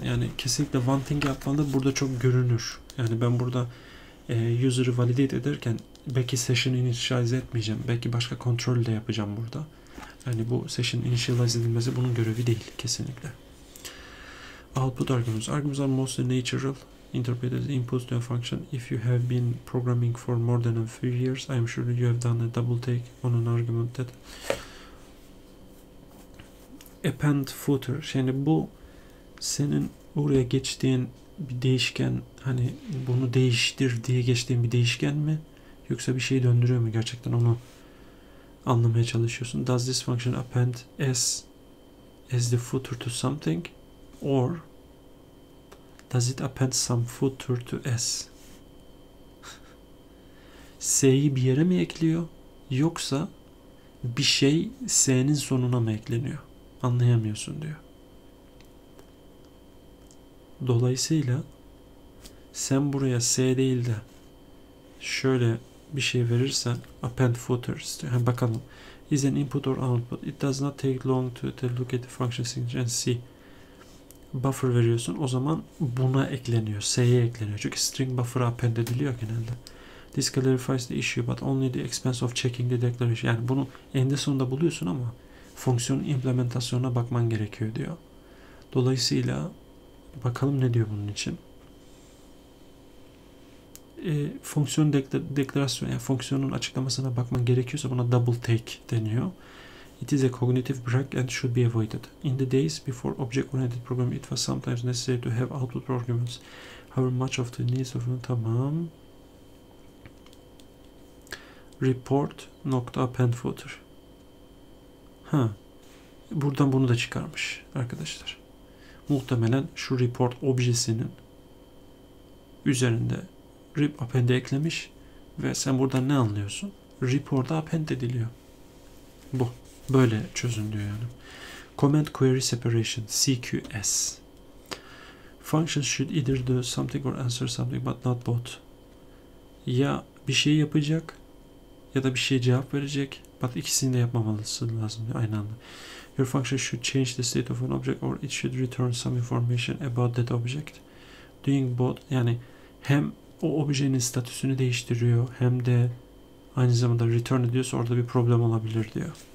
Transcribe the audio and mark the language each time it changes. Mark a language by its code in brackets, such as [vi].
[tr] Yani kesinlikle one thing yapmanda burada çok görünür. Yani ben burada user'ı validate ederken belki session initialize etmeyeceğim. Belki başka kontrol de yapacağım burada. Yani bu session initialize edilmesi bunun görevi değil kesinlikle. [en] Output arguments. Arguments are mostly natural. interpreted impulse to a function. If you have been programming for more than a few years, I'm sure you have done a double take on an argument that append footer. [tr] Yani bu senin oraya geçtiğin bir değişken, hani bunu değiştir diye geçtiğin bir değişken mi? Yoksa bir şeyi döndürüyor mu gerçekten, onu anlamaya çalışıyorsun. [en] Does this function append as the footer to something, or does it append some footer to s? [tr] S'yi bir yere mi ekliyor, yoksa bir şey s'nin sonuna mı ekleniyor? Anlayamıyorsun diyor. Dolayısıyla sen buraya s değil de şöyle bir şey verirsen, append footer istiyor. Yani bakalım, [en] is an input or output? It does not take long to look at the function signature and see. [tr] Buffer veriyorsun, o zaman buna ekleniyor, s'ye ekleniyor. Çünkü string buffer'a append ediliyor genelde. [en] This clarifies the issue, but only the expense of checking the declaration. [tr] Yani bunu eninde sonunda buluyorsun ama fonksiyonun implementasyonuna bakman gerekiyor diyor. Dolayısıyla bakalım ne diyor bunun için. Fonksiyon deklarasyonu, yani fonksiyonun açıklamasına bakman gerekiyorsa buna double take deniyor. [en] It is a cognitive break and should be avoided. In the days before object-oriented programming, it was sometimes necessary to have output arguments. However, much of the needs of them, [tr] tamam. Report nokta append footer. Ha. Buradan bunu da çıkarmış arkadaşlar. Muhtemelen şu report objesinin üzerinde rip append eklemiş ve sen buradan ne anlıyorsun? Report'a append ediliyor. Bu. Böyle çözün diyor yani. Comment query separation, CQS. [en] Functions should either do something or answer something, but not both. [tr] Ya bir şey yapacak ya da bir şeye cevap verecek. But ikisini de yapmamalısın lazım diyor aynı anda. [en] Your function should change the state of an object or it should return some information about that object. Doing both, [tr] yani hem o objenin statüsünü değiştiriyor hem de aynı zamanda return ediyorsa orada bir problem olabilir diyor.